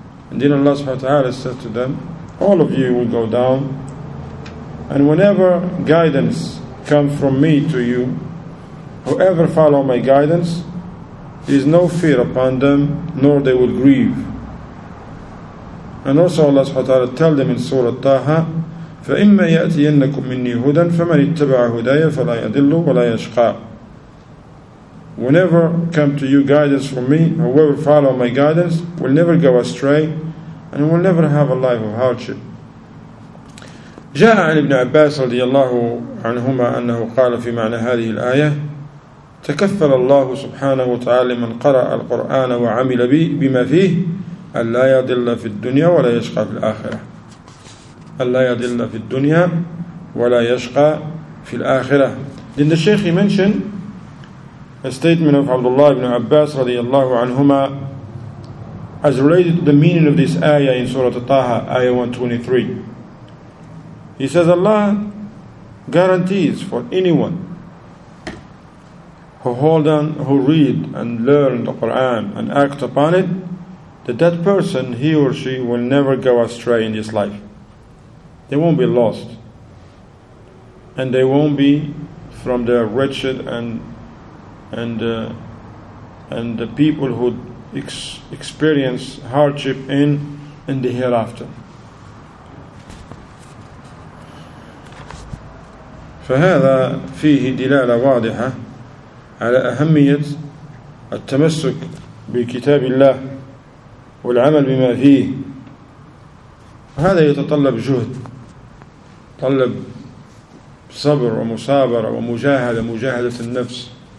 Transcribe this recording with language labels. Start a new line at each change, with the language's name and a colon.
English: And then Allah subhanahu wa ta'ala said to them, all of you will go down, and whenever guidance comes from me to you, whoever follow my guidance, there is no fear upon them, nor they will grieve. And also Allah subhanahu wa ta'ala tell them in Surah Taha,
Arabic: فَإِمَّا يَأْتِيَنَّكُمْ مِنِّي هُدًا فَمَنِ اتَّبَعَ هُدَيَ فَلَا يَضِلُّ وَلَا يَشْقَى.
English: Whenever come to you guidance from me, whoever follow my guidance will never go astray and will never have a life of hardship.
Arabic: جاء عن ابن عباس رضي الله عنهما أنه قال في معنى هذه الآية تكفل الله سبحانه وتعالى من قرأ القرآن وعمل به بما فيه ألا يضل في الدنيا ولا يشقى في الآخرة. ألا يضل في الدنيا ولا يشقى في الآخرة.
English: Then the Shaykh mentioned a statement of Abdullah ibn Abbas radiyallahu anhuma as related to the meaning of this ayah in Surah Taha, ayah 123. He says Allah guarantees for anyone who hold on, who read and learn the Quran and act upon it, that that person, he or she, will never go astray in this life. They won't be lost. And they won't be from their wretched and the people who experience hardship in the hereafter.
Arabic: فهذا فيه دلالة واضحة على أهمية التمسك بكتاب الله والعمل بما فيه. هذا يتطلب جهد، يتطلب صبر ومصابرة ومجاهدة، مجاهدة النفس.